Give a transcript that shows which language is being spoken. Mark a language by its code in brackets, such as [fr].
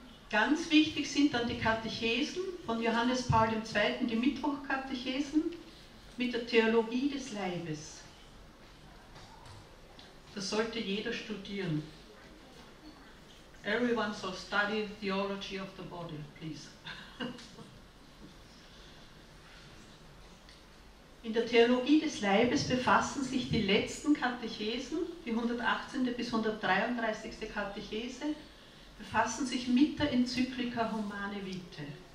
[de] Ganz wichtig sind dann die Katechesen von Johannes Paul II., die Mittwochkatechesen, mit der Theologie des Leibes. Das sollte jeder studieren. [en] Everyone shall study the theology of the body, please. [de] In der Theologie des Leibes befassen sich die letzten Katechesen, die 118. bis 133. Katechese, befassen sich mit der Enzyklika Humane Vitae.